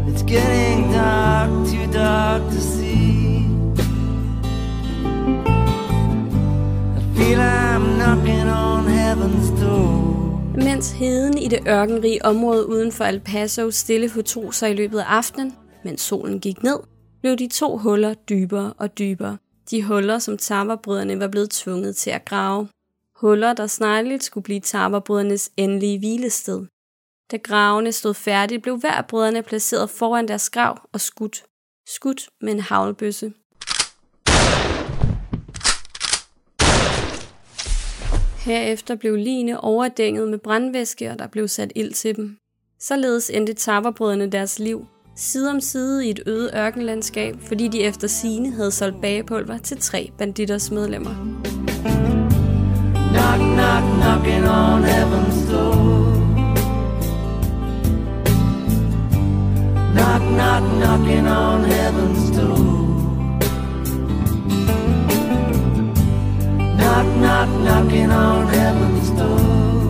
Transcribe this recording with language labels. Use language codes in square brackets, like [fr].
[en] Getting dark, too dark to see. I feel I'm knocking on heaven's door. [da] Mens heden i det ørkenrige område uden for El Paso stille fortog sig i løbet af aftenen, mens solen gik ned, blev de to huller dybere og dybere. De huller, som taberbrødrene var blevet tvunget til at grave. Huller, der snarligt skulle blive taberbrødrenes endelige hvilested. Da gravene stod færdigt, blev hver af brødrene placeret foran deres grav og skudt. Skudt med en haglbøsse. Herefter blev ligene overdænget med brandvæske, og der blev sat ild til dem. Således endte taberbrødrene deres liv, side om side i et øde ørkenlandskab, fordi de efter sigende havde solgt bagepulver til tre banditters medlemmer. [en] Knock, knock, knocking on heaven's door. Knock, knock, knocking on heaven's door. Knock, knock, knocking on heaven's door.